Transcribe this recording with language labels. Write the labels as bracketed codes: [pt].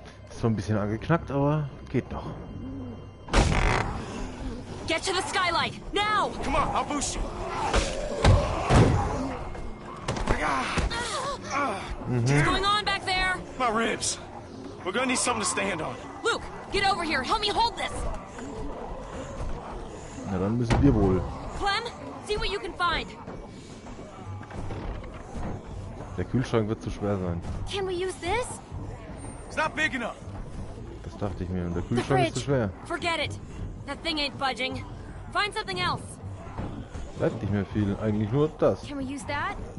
[de] So ein bisschen angeknackt, aber geht noch. [en] Get to the skylight now! Come on, I'll boost you. What's going on back there? My ribs. We're gonna need something to stand on. Luke, get over here. Help me hold this. [de] Na dann müssen wir wohl. [en] Clem, see what you can find. [de] Der Kühlschrank wird zu schwer sein. [en] Can we use this? It's not big enough. [de] Das dachte ich mir. Und der Kühlschrank ist zu schwer. [en] Forget it. That thing ain't budging. Find something else. [de] Bleibt nicht mehr viel. Eigentlich nur das. [en] Can we use that?